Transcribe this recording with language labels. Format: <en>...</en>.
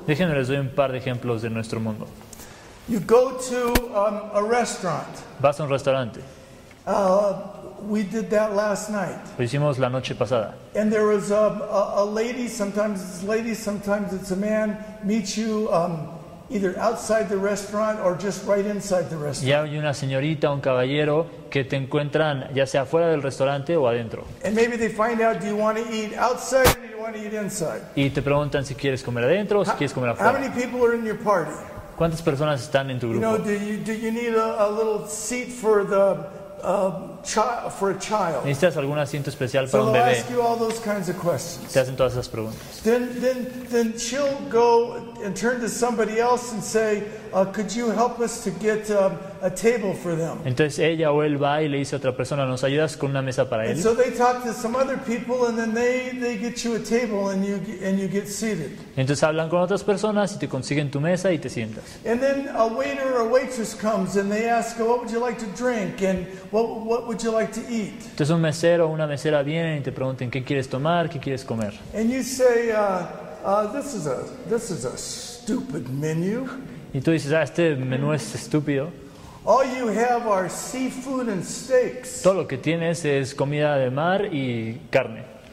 <es>Déjenme les doy un par de ejemplos de nuestro mundo.</es> <en>You go to a restaurant.</en> <es>Vas a un restaurante.</es> <en>We did that last night.</en> <es>Lo hicimos la noche pasada.</es> <en>And there was a lady, sometimes it's a lady, sometimes it's a man, meets you either outside the restaurant or just right inside the restaurant.</en> <es>Y hay una señorita, un caballero que te encuentran ya sea fuera del restaurante o adentro.</es> <en>And maybe they find out, do you want to eat outside or do you want to eat inside?</en> <es>Y te preguntan si quieres comer adentro o si quieres comer afuera.</es> <en>How many people are in your party?</en> <es>¿Cuántas personas están en tu grupo?</es> <en>You know, do you need a little seat for the for a child?</en> <es>¿Necesitas algún asiento especial para un bebé?</es> <en>So ask you all those kinds of questions.</en> <es>Te hacen todas esas preguntas.</es> <en>Then she'll go and turn to somebody else and say, could you help us to get a table for them?</en> <es>Entonces ella o él va y le dice a otra persona, ¿nos ayudas con una mesa para él?</es> <en>And so they talk to some other people and then they get you a table and you get seated.</en> <es>Entonces hablan con otras personas y te consiguen tu mesa y te sientas.</es> <en>And then a waiter or a waitress comes and they ask, what would you like to drink and what would you like to eat?</en> <es>Entonces un mesero o una mesera viene y te preguntan, ¿qué quieres tomar? ¿Qué quieres comer?</es> <en>And you say, this is a stupid menu.</en> <es>Y tú dices, este menú es estúpido.</es> <en>All you have are seafood and steaks.</en> <es>Todo lo que tienes es comida de mar y carne.</es>